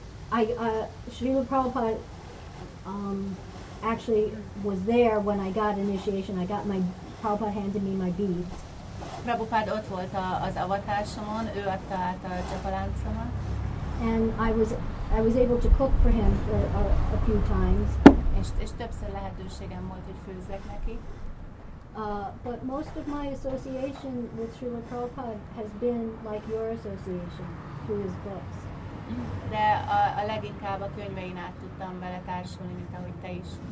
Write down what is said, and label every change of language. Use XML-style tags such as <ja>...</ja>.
<en>Srila Prabhupada actually was there when I got initiation. I got my, Prabhupada handed me my beads.</en> <hu>Prabhupád ott volt az avatásomon, ő adta át a csapaláncomat.</hu> <en>And I was able to cook for him for a few times.</en> <hu>És többször lehetőségem volt, hogy főzzek neki.</hu> <en>But most of my association with Srila Prabhupada has been like your association, through his books.</en> <hu>De a leginkább a könyvein át tudtam vele társulni, mint ahogy te is.</hu>